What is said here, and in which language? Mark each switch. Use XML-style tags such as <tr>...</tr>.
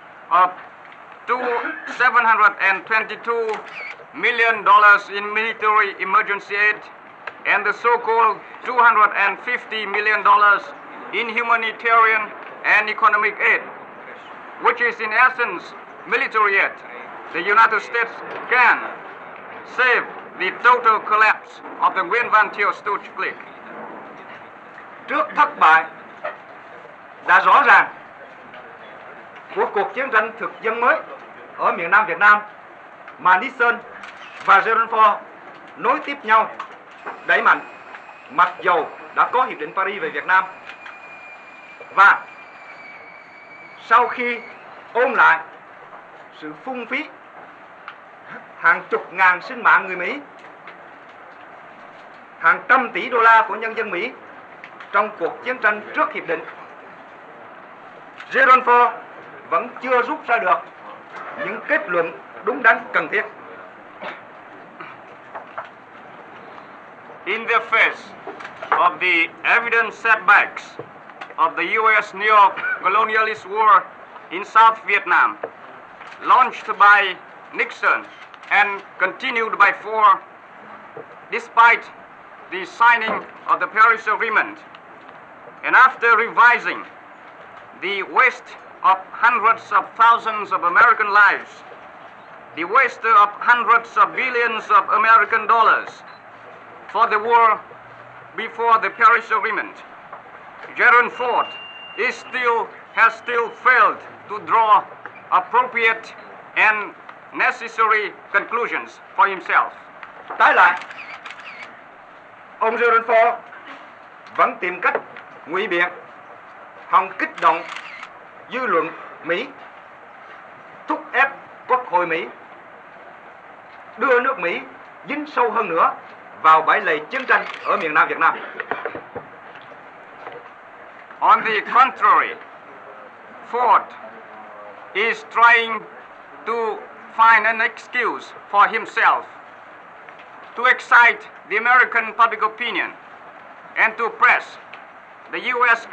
<en>of $722 million in military emergency aid and the so-called $250 million in humanitarian and economic aid, which is in essence military aid, the United States can save the total collapse of the Nguyễn Văn Thiệu Stooge clique.</en> <vi>Trước thất bại đã rõ ràng của cuộc chiến tranh thực dân mới ở miền Nam Việt Nam mà Nixon và Gerald Ford nối tiếp nhau đẩy mạnh, mặc dầu đã có Hiệp định Paris về Việt Nam, và sau khi ôm lại sự phung phí hàng chục ngàn sinh mạng người Mỹ, hàng trăm tỷ đô la của nhân dân Mỹ trong cuộc chiến tranh trước hiệp định, Gerald Ford vẫn chưa rút ra được những kết luận đúng đắn cần thiết.</vi> <en>In the face of the evident setbacks of the U.S. neo-colonialist war in South Vietnam, launched by Nixon and continued by Ford, despite the signing of the Paris Agreement, and after revising the waste of hundreds of thousands of American lives, the waste of hundreds of billions of American dollars for the war before the Paris Agreement, Gerald Ford has still failed to draw appropriate and necessary conclusions for himself.</en> <vi>Tái lại, ông Gerald Ford vẫn tìm cách ngụy biện, hòng kích động dư luận Mỹ, thúc ép Quốc hội Mỹ đưa nước Mỹ dính sâu hơn nữa vào bãi lầy chiến tranh ở miền Nam Việt Nam.</vi> <en>On the contrary, Ford is trying to find an excuse for himself to excite the American public opinion and to press the U.S.</en>